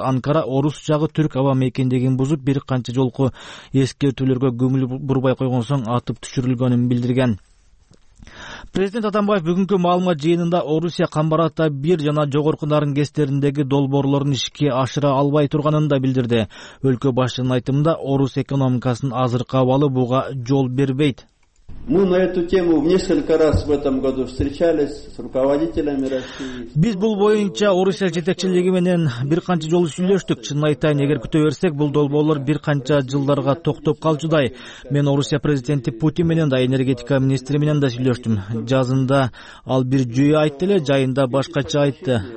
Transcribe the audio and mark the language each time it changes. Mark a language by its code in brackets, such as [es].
[ky] Анкара орус учагы түрк аба мекендигин бузуп, бир канча жолку эскертүүлөргө көңүл бурбай койгон соң атып түшүрүлгөнүн билдирген. Президент Атамбаев бүгүнкү маалымат жыйынында Орусия камбар ата бир жана жогорку нарын гестериндеги долбоорлорун ишке ашыра албай турганын да билдирди. Өлкө башчынын айтымында орус экономикасынын азыркы абалы буга жол бербейт. [ru] Мы на эту тему несколько раз в этом году встречались с руководителями России. [ky] Биз бул боюнча Орусия жетекчилиги менен бир канча жолу сүйлөштүк. Чын айтайын, эгер күтө берсек, бул долбоорлор бир канча жылдарга токтоп калчудай. Мен Орусия президенти Путин менен да, энергетика министри менен да сүйлөштүм. Жазында ал бир жүйө айтты эле, жайында башкача айтты.